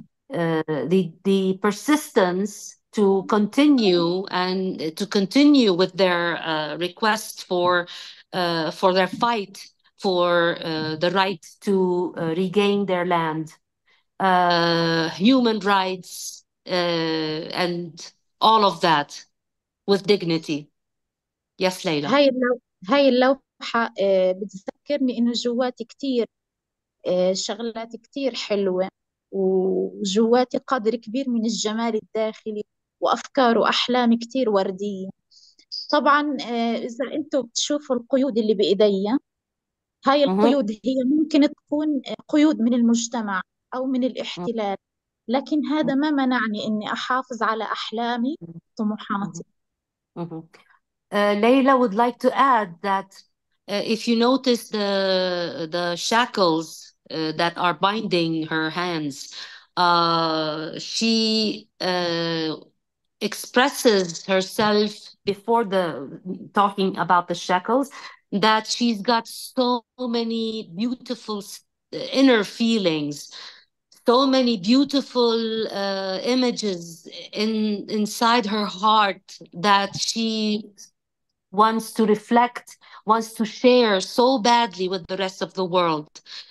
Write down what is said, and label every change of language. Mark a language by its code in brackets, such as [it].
[en] the persistence to continue and to continue with their request for their fight for the right to regain their land, human rights, and all of that with dignity. Yes, Leila. [ar] هاي اللوحة بتذكرني إنه جواتي كتير شغلات كتير حلوة، وجواتي قدر كبير من الجمال الداخلي وأفكار وأحلام كتير وردية. طبعا إذا أنتوا بتشوفوا القيود اللي بإيدي، هاي القيود هي ممكن تكون قيود من المجتمع أو من الاحتلال، لكن هذا ما منعني إني أحافظ على أحلامي طموحاتي. [en] Leila would like to add that if you notice the shackles that are binding her hands, she expresses herself before the talking about the shackles, that she's got so many beautiful inner feelings, so many beautiful images inside her heart that she wants to reflect, wants to share so badly with the rest of the world.